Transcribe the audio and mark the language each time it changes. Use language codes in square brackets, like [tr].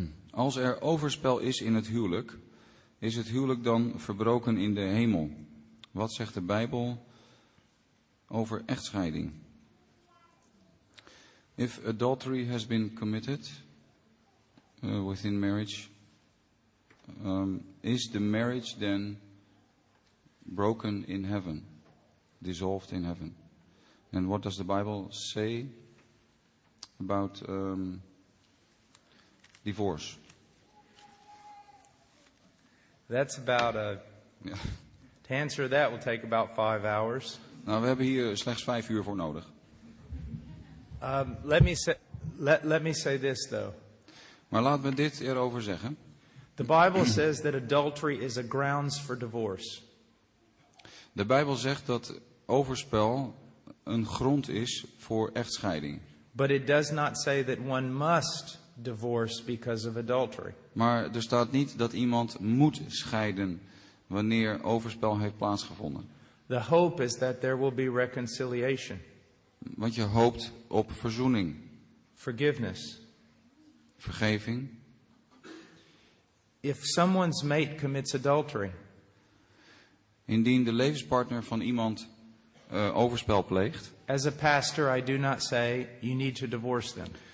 [nl] Als er overspel is in het huwelijk, Is het huwelijk dan verbroken in de hemel? Wat zegt de Bijbel over echtscheiding? [en] If adultery has been committed within marriage, is the marriage then broken in heaven, dissolved in heaven? And what does the Bible say about divorce? That's about a... Yeah. To answer that will take about 5 hours. [nl] Nou, we hebben hier slechts 5 uur voor nodig. [en] Let me say this though. [nl] Maar laat me dit erover zeggen. [en] The Bible says that adultery is a grounds for divorce. [nl] De Bijbel zegt dat overspel een grond is voor echtscheiding. [en] But it does not say that one must divorce because of adultery. [nl] Maar er staat niet dat iemand moet scheiden wanneer overspel heeft plaatsgevonden. [en] The hope is that there will be reconciliation. [nl] Want je hoopt op verzoening. [en] Forgiveness. [nl] Vergeving. [en] If someone's mate commits adultery. [nl] Indien de levenspartner van iemand overspel pleegt. [en] As a pastor, I do not say you need to divorce them.